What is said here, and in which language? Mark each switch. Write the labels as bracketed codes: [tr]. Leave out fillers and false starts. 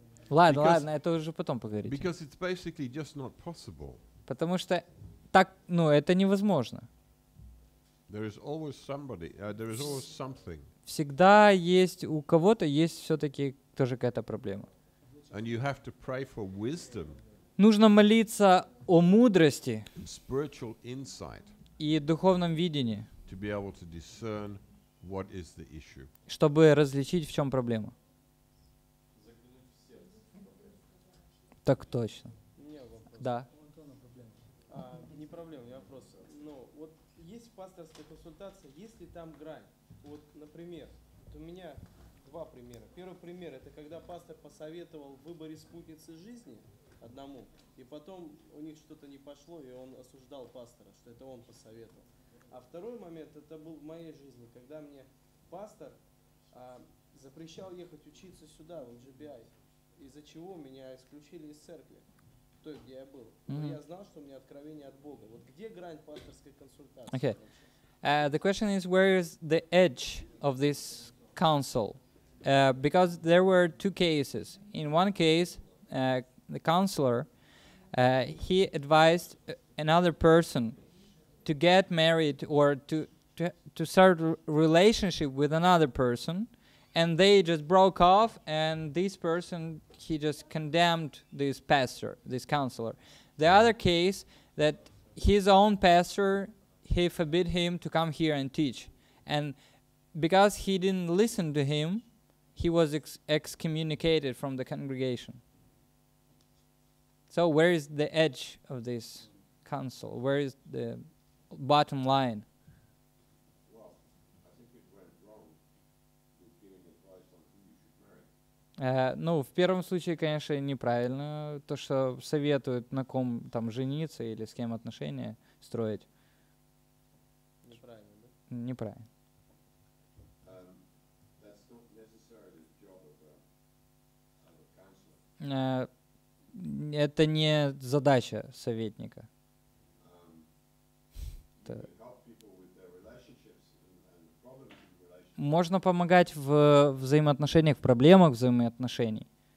[ru] Ладно, это уже потом поговорить. [en] Because it's basically just not possible. [ru] Потому что так, ну, это невозможно. [en] There is always somebody, there is always something. [ru] Всегда есть у кого-то есть все-таки тоже какая-то проблема. [en] And you have to pray for wisdom. [ru] Нужно молиться о мудрости. [en] And spiritual insight. [ru] И духовном видении. [en] To be able to discern what is the issue. [ru] Чтобы различить, в чем проблема. Так точно. Не, вопрос. Да. У Антона проблема. А, не проблема, не вопрос. Но вот есть пасторская консультация, есть ли там грань? Вот, например, вот у меня два примера. Первый пример, это когда пастор посоветовал в выборе спутницы жизни одному, и потом у них что-то не пошло, и он осуждал пастора, что это он посоветовал. А второй момент, это был в моей жизни, когда мне пастор запрещал ехать учиться сюда, в LGBI, из-за чего меня исключили из церкви, той, где я был. Mm-hmm. Но я знал, что у меня откровение от Бога. Вот где грань пасторской консультации? [en] Okay. The question is, where is the edge of this counsel? Because there were two cases. In one case, the counselor, he advised another person to get married or to start a relationship with another person, and they just broke off, and this person, he just condemned this pastor, this counselor. The other case, that his own pastor, he forbid him to come here and teach. And because he didn't listen to him, he was excommunicated from the congregation. So where is the edge of this counsel? Where is the bottom line? Well, I think it went wrong with giving advice on who you should marry. [ru] Ну, в первом случае, конечно, неправильно то, что советуют, на ком там жениться или с кем отношения строить. Неправильно, да? Неправильно. [en] That's not necessarily the job of a counselor. [ru] Это не задача советника. Можно помогать в взаимоотношениях, в проблемах взаимоотношений.